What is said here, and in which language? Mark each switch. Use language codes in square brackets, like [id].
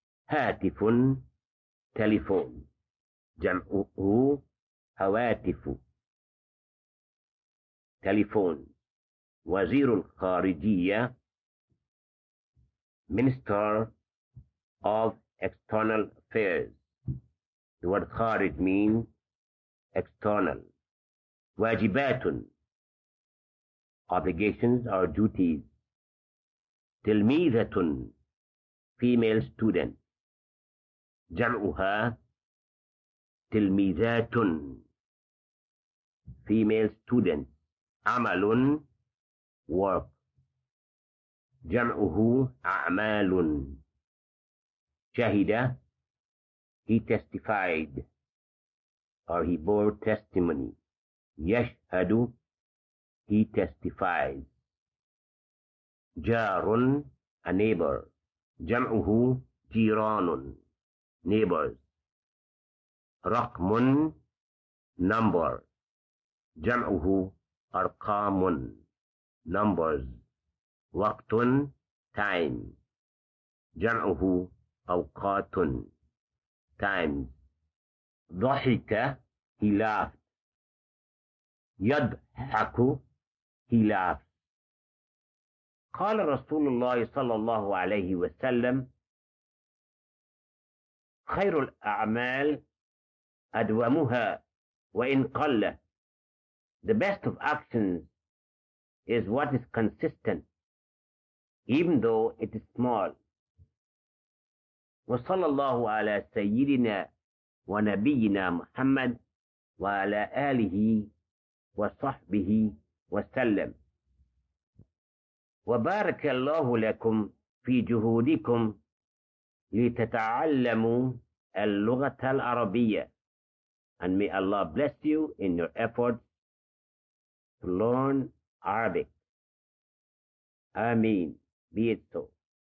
[ar] هاتف، تليفون، جمعه هواتف، تليفون. وزير الخارجية، [en] minister of external affairs. The word خارج means external. [ar] واجبات، [en] obligations or duties. [ar] تلميذة، [en] female student، [ar] جمعها تلميذات، [en] female student. [ar] عمل، [en] work، [ar] جمعه أعمال. شهد، [en] he testified or he bore testimony. [ar] يشهد، [en] he testified. [ar] جار، [en] a neighbor، [ar] جمعه جيران، [en] neighbors. [ar] رقم، [en] number، [ar] جمعه أرقام، [en] numbers. [ar] وقت، [en] time، [ar] جمعه أوقات، [en] times. [ar] ضحك، [en] he laughed. [ar] يضحك، [en] he laughed. [ar] قال رسول الله صلى الله عليه وسلم، خير الأعمال أدومها وإن قل. [en] The best of actions is what is consistent, even though it is small. [ar] وصلى الله على سيدنا ونبينا محمد وعلى آله وصحبه وسلم. وبارك الله لكم في جهودكم لتتعلموا اللغة العربية. [en] And may Allah bless you in your efforts to learn Arabic. Ameen. Be it so.